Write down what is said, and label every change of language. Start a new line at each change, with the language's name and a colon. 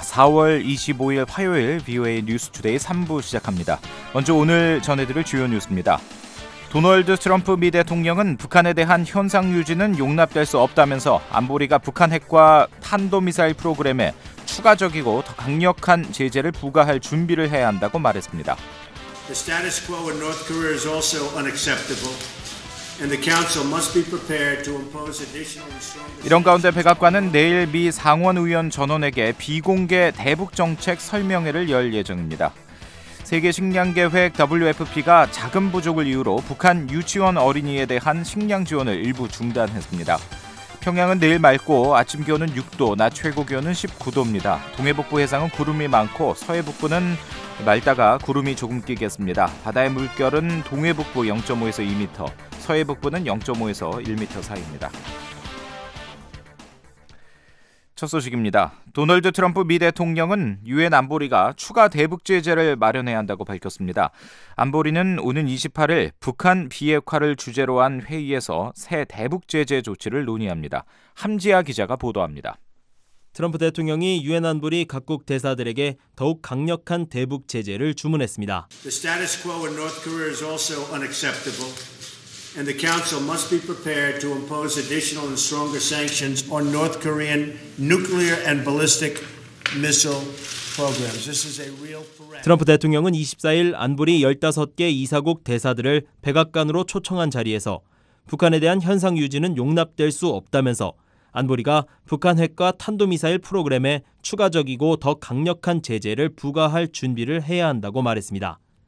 Korean: 4월 25일 화요일 VOA 뉴스 투데이 3부 시작합니다. 먼저 오늘 전해드릴 주요 뉴스입니다. 도널드 트럼프 미 대통령은 북한에 대한 현상 유지는 용납될 수 없다면서 안보리가 북한 핵과 탄도미사일 프로그램에 추가적이고 더 강력한 제재를 부과할 준비를 해야 한다고 말했습니다.
English: The status quo in North Korea is also unacceptable. And the council must be prepared to impose additional restrictions.
Korean: 이런 가운데 백악관은 내일 미 상원의원 전원에게 비공개 대북정책 설명회를 열 예정입니다. 세계식량계획 WFP가 자금 부족을 이유로 북한 유치원 어린이에 대한 식량 지원을 일부 중단했습니다. 평양은 내일 맑고 아침 기온은 6도, 낮 최고 기온은 19도입니다. 동해북부 해상은 구름이 많고 서해북부는 맑다가 구름이 조금 끼겠습니다. 바다의 물결은 동해북부 0.5에서 2m, 서해북부는 0.5에서 1m 사이입니다. 첫 소식입니다. 도널드 트럼프 미 대통령은 유엔 안보리가 추가 대북 제재를 마련해야 한다고 밝혔습니다. 안보리는 오는 28일 북한 비핵화를 주제로 한 회의에서 새 대북 제재 조치를 논의합니다. 함지아 기자가 보도합니다. 트럼프 대통령이 유엔 안보리 각국 대사들에게 더욱 강력한 대북 제재를 주문했습니다.
English: The status quo in North Korea is also unacceptable. And the council must be prepared to impose additional and stronger sanctions on North Korean nuclear and ballistic missile programs. This is a real threat.
Korean: 트럼프 대통령은 24일 안보리 15개 이사국 대사들을 백악관으로 초청한 자리에서 북한에 대한 현상 유지는 용납될 수 없다면서 안보리가 북한 핵과 탄도미사일 프로그램에 추가적이고 더 강력한 제재를 부과할 준비를 해야 한다고 말했습니다.